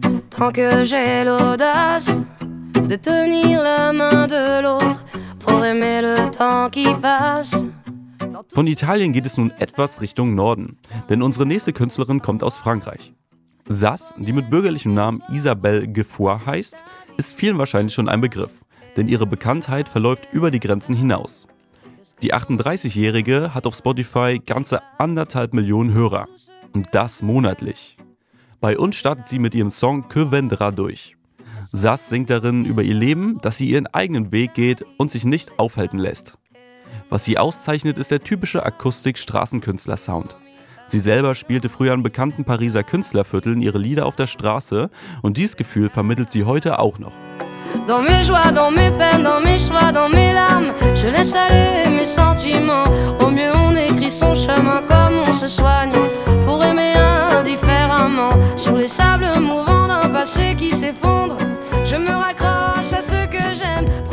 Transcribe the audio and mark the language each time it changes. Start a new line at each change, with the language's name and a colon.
French: Tant que j'ai l'audace de tenir la main de l'autre pour aimer le temps qui passe.
German: Von Italien geht es nun etwas Richtung Norden, denn unsere nächste Künstlerin kommt aus Frankreich. Sass, die mit bürgerlichem Namen Isabelle Gefoy heißt, ist vielen wahrscheinlich schon ein Begriff, denn ihre Bekanntheit verläuft über die Grenzen hinaus. Die 38-Jährige hat auf Spotify ganze 1,5 Millionen Hörer. Und das monatlich. Bei uns startet sie mit ihrem Song Que Vendra durch. Sass singt darin über ihr Leben, dass sie ihren eigenen Weg geht und sich nicht aufhalten lässt. Was sie auszeichnet, ist der typische Akustik-Straßenkünstler-Sound. Sie selber spielte früher in bekannten Pariser Künstlervierteln ihre Lieder auf der Straße und dieses Gefühl vermittelt sie heute auch noch.
French: Dans mes joies, dans mes peines, dans mes choix, dans mes larmes, je laisse aller mes sentiments. Au mieux on écrit son chemin comme on se soigne pour aimer indifféremment. Sur les sables mouvants d'un passé qui s'effondre, je me raccroche à ce que j'aime.